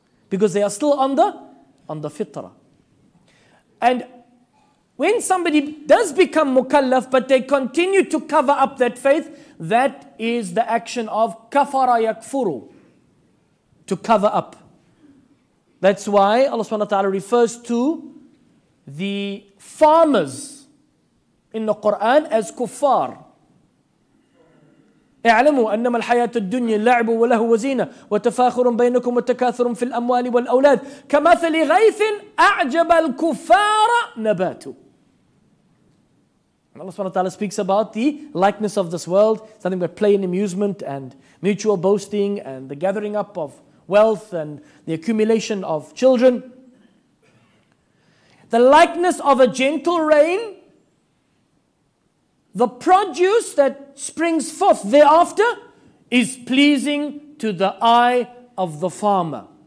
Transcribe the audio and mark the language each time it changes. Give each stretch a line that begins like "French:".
English: Because they are still on the fitrah. And when somebody does become mukallaf, but they continue to cover up that faith, that is the action of kafara yakfuru, to cover up. That's why Allah subhanahu wa ta'ala refers to the farmers in the Quran as kuffar.
Arabic: اعلموا أنما الحياة الدنيا لعب وله وزينة وتفاخر بينكم وتكاثر في الأموال والأولاد كمثل غيث أعجب الكفار نباته.
English: Allah subhanahu wa ta'ala speaks about the likeness of this world, something about play and amusement and mutual boasting and the gathering up of wealth and the accumulation of children. The likeness of a gentle rain, the produce that springs forth thereafter is pleasing to the eye of the farmer.